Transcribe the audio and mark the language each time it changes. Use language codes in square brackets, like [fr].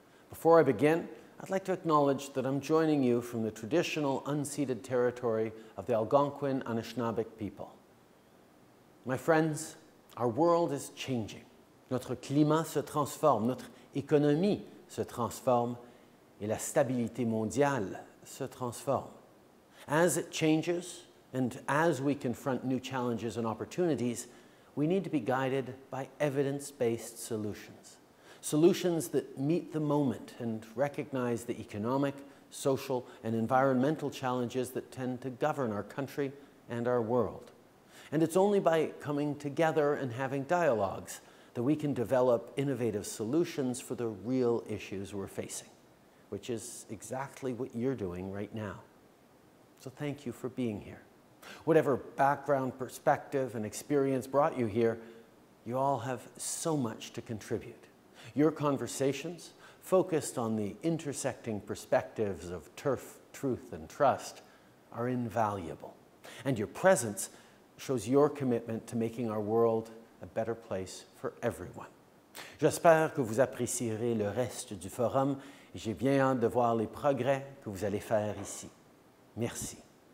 [en] Before I begin, I'd like to acknowledge that I'm joining you from the traditional unceded territory of the Algonquin Anishinaabeg people. My friends, our world is changing. [fr] Notre climat se transforme, notre économie se transforme, et la stabilité mondiale se transforme. [en] As it changes, and as we confront new challenges and opportunities, we need to be guided by evidence-based solutions. Solutions that meet the moment and recognize the economic, social, and environmental challenges that tend to govern our country and our world. And it's only by coming together and having dialogues that we can develop innovative solutions for the real issues we're facing, which is exactly what you're doing right now. So thank you for being here. Whatever background, perspective, and experience brought you here, you all have so much to contribute. Your conversations, focused on the intersecting perspectives of turf, truth, and trust, are invaluable. And your presence shows your commitment to making our world a better place for everyone. [fr] J'espère que vous apprécierez le reste du forum. J'ai bien hâte de voir les progrès que vous allez faire ici. Merci.